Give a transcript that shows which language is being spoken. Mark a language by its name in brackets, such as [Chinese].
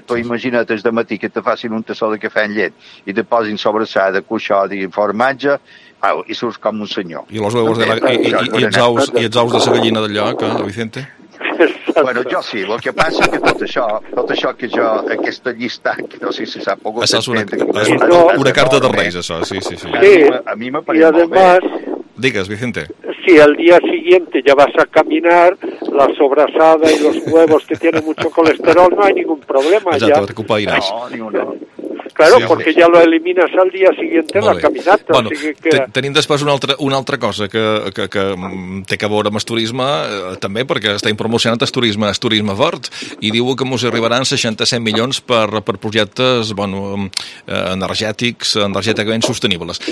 [Catalan] Tu imagina't des de matí que te facin un tassó de cafè en llet i te posin sobrassada, cuixot i formatge, i surts com un senyor. I els huevos i els ous de la gallina del lloc, Vicente? Bueno, jo sí, el que passa és que tot això que jo, aquesta llista, que no sé si s'ha pogut entendre... És una carta de Reis, això, sí. A mi m'ha parit molt bé. Digues, Vicente. [Spanish] Si al día siguiente ya vas a caminar, la sobrasada y los huevos que tienen mucho colesterol, no hay ningún problema. Exacto, ya te ocupa ir a eso. Claro, sí, perquè ja lo eliminas al dia siguiente la caminata. [Catalan] Bueno, tenim després una altra cosa que té que veure amb el turisme, també, perquè estem promocionant el turisme fort, i diu que ens arribaran 67 milions per projectes, bueno, energètics, energèticament sostenibles.